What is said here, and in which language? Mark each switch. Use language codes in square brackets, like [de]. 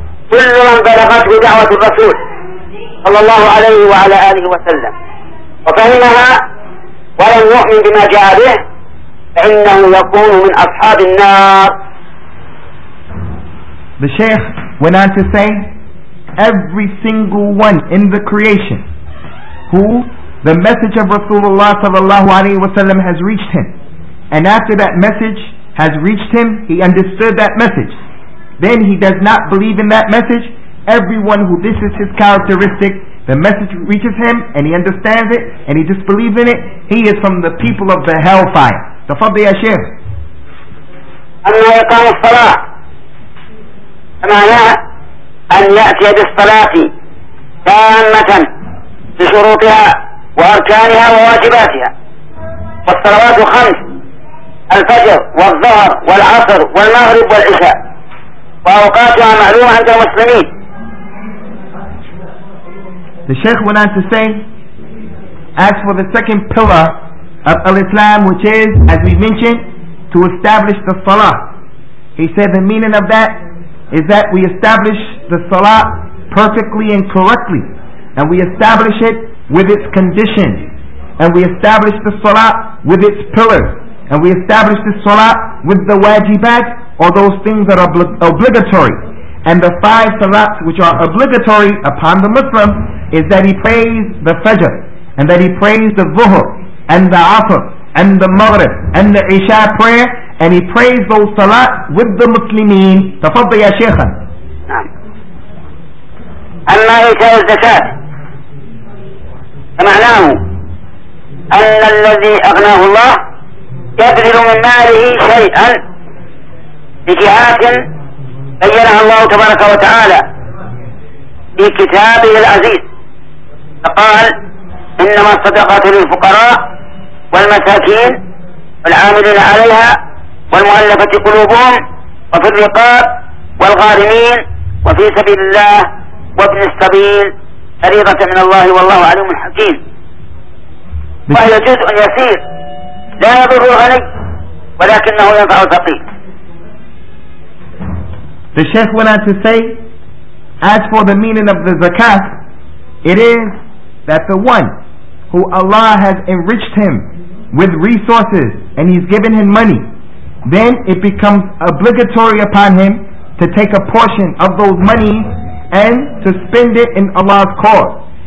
[ar] كل من بلغته دعوة الرسول صلى الله عليه وعلى آله وسلم وفهمها ولم يؤمن بما جاء به فإنه يكون من أصحاب النار. [en] The Shaykh went on to say, every single one in the creation who the message of Rasulullah sallallahu alayhi wa sallam has reached him, and after that message has reached him, he understood that message, then he does not believe in that message. Everyone who this is his characteristic, the message reaches him and he understands it and he disbelieves in it, he is from the people of the hellfire. [ar] Tafadhal ya Shaykh. Anna yaqamu as-salah معناه أن يأتي بالصلاة تامة بشروطها وأركانها وواجباتها. والصلوات خمس: الفجر والظهر والعصر والمغرب والعشاء، وأوقاتها معلومة عند المسلمين. [en] The Shaykh went on to say, as for the second pillar of Al-Islam, which is, as we mentioned, to establish the Salah, he said the meaning of that is that we establish the Salah perfectly and correctly, and we establish it with its conditions, and we establish the Salah with its pillars, and we establish the Salah with the wajibat, or those things that are obligatory. And the five Salats which are obligatory upon the Muslim is that he prays the Fajr, and that he prays the Zuhr, and the Asr, and the Maghrib, and the Isha prayer, and he prays those salat with the Muslimin. [ar] Tafadhal ya Shaykh. أما إيتاء الزكاة فمعناه أن الذي أغناه الله يبذل من ماله شيئا بجهات بينها الله تبارك وتعالى في كتابه العزيز، فقال: إنما الصدقات للفقراء والمساكين والعاملين عليها والمؤلفة قلوبهم وفي الرقاب والغارمين وفي سبيل الله وابن السبيل فريضة من الله والله عليم حكيم. وهي جزء يسير لا يضر الغني ولكنه ينفع الفقير. [en] The Shaykh went on to say, as for the meaning of the zakat, it is that the one who Allah has enriched him with resources and he's given him money, then it becomes obligatory upon him to take a portion of those monies and to spend it in Allah's cause.